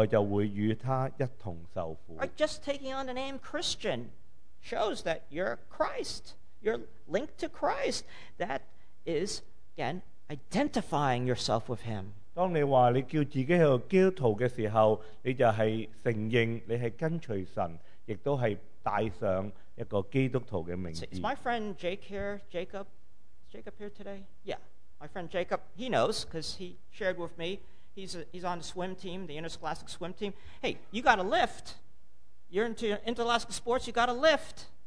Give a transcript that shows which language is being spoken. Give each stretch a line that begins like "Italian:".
Cantonese: 咁所以喺呢一段嘅經文話過，當我與基督一同嘅時候，我就會與他一同受苦。
English: Right, just taking on the name Christian shows that you're Christ. You're linked to Christ. That is, again, identifying yourself with him.
Cantonese: 當你話你叫自己係基督徒嘅時候，你就係承認你係跟隨神，亦都係戴上一個基督徒嘅名字。
English: Is my friend Jake here? Jacob? Is Jacob here today? Yeah. My friend Jacob, he knows because he shared with me. He's on the swim team, the interscholastic swim team. Hey, you got a lift. You're into interscholastic sports, you got a lift.